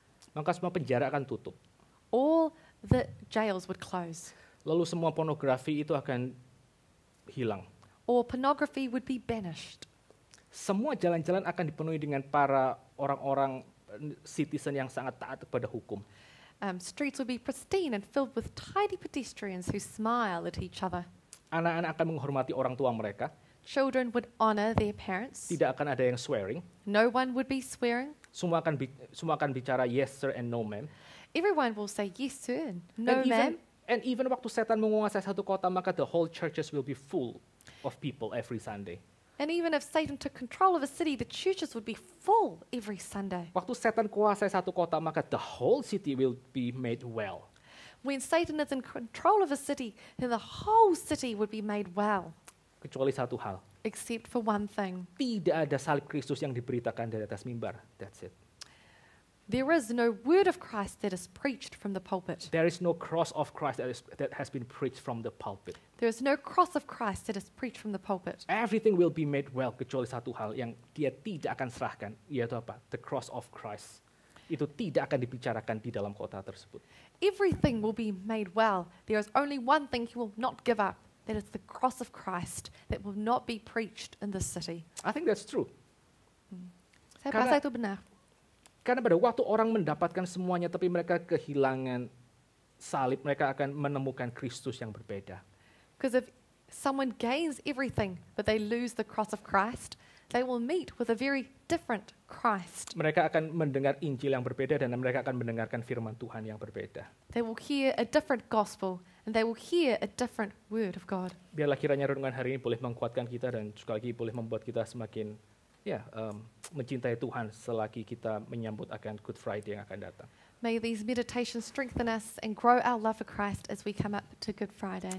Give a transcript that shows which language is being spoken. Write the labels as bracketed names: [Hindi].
[Indonesian] maka semua penjara akan tutup. [English] All the jails would close. [Indonesian] Lalu semua pornografi itu akan hilang. [English] All pornography would be banished. [Indonesian] Semua jalan-jalan akan dipenuhi dengan para orang-orang citizen yang sangat taat kepada hukum. [English] Streets would be pristine and filled with tidy pedestrians who smile at each other. [Indonesian] Anak-anak akan menghormati orang tua mereka. [English] Children would honor their parents. [Indonesian] Tidak akan ada yang [English] swearing. No one would be swearing. [Indonesian] Semua akan bicara [English] yes sir and no ma'am. Everyone will say yes sir and no ma'am. And even [Indonesian] waktu setan menguasai satu kota, maka [English] the whole churches will be full of people every Sunday. And even if Satan took control of a city, the churches would be full every Sunday. [Indonesian] Waktu setan kuasai satu kota, maka [English] the whole city will be made well. When Satan is in control of a city, then the whole city would be made well. [Indonesian] Kecuali satu hal. [English] Except for one thing. [Indonesian] Tidak ada salib Kristus yang diberitakan dari atas mimbar. [English] That's it. There is no word of Christ that is preached from the pulpit. There is no cross of Christ that has been preached from the pulpit. There is no cross of Christ that is preached from the pulpit. Everything will be made well [Indonesian] kecuali satu hal yang dia tidak akan serahkan, yaitu apa? [English] The cross of Christ. [Indonesian] Itu tidak akan dibicarakan di dalam kota tersebut. [English] Everything will be made well. There is only one thing he will not give up. That is the cross of Christ that will not be preached in this city. I think that's true. [Indonesian] Saya rasa itu benar. Karena pada waktu orang mendapatkan semuanya, tapi mereka kehilangan salib, mereka akan menemukan Kristus yang berbeda. [English] Because if someone gains everything but they lose the cross of Christ, they will meet with a very different Christ. [Indonesian] Mereka akan mendengar Injil yang berbeda dan mereka akan mendengarkan firman Tuhan yang berbeda. [English] They will hear a different gospel and they will hear a different word of God. [Indonesian] Biarlah kiranya renungan hari ini boleh menguatkan kita dan sekali lagi boleh membuat kita semakin mencintai Tuhan selagi kita menyambut akan Good Friday yang akan datang. [English] May these meditations strengthen us and grow our love for Christ as we come up to Good Friday.